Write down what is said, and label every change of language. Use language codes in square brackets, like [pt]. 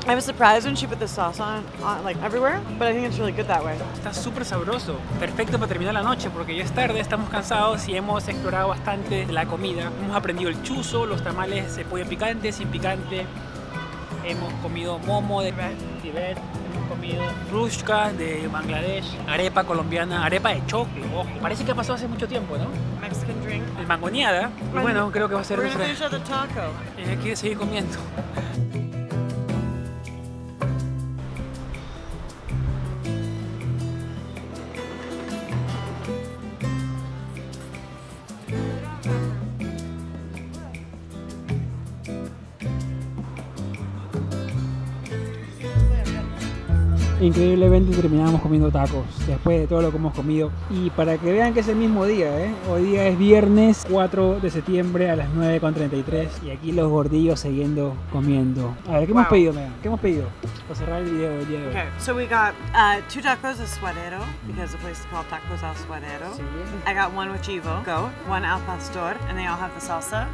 [en] I was surprised when she put the sauce on like everywhere, but I think it's really good that way. [es] Está super sabroso. Perfecto para terminar la noche porque ya es tarde, estamos cansados y hemos explorado bastante la comida. Hemos aprendido el chuzo, los tamales de pollo picante, sin picante. Hemos comido momo de Tibet. Comido rushka de Bangladesh, arepa colombiana, arepa de choclo, ojo. Parece que pasó hace mucho tiempo, ¿no? [en] Mexican drink. [es] El mangoneada. Y bueno, creo que va a ser [en] nuestra. Finish the taco. [es] Y hay que seguir comiendo. Increíblemente terminamos comiendo tacos después de todo lo que hemos comido. Y para que vean que es el mismo día, ¿eh? Hoy día es viernes 4 de septiembre a las 9:33 y aquí los gordillos siguiendo comiendo. A ver, ¿qué hemos pedido, Megan? ¿Qué hemos pedido? Para cerrar el video del día de hoy. [en] Okay, so we got two tacos de suadero, because the place is called Tacos al Suadero. [es] Sí. [en] I got one with chivo, goat, one al pastor, and they all have the salsa.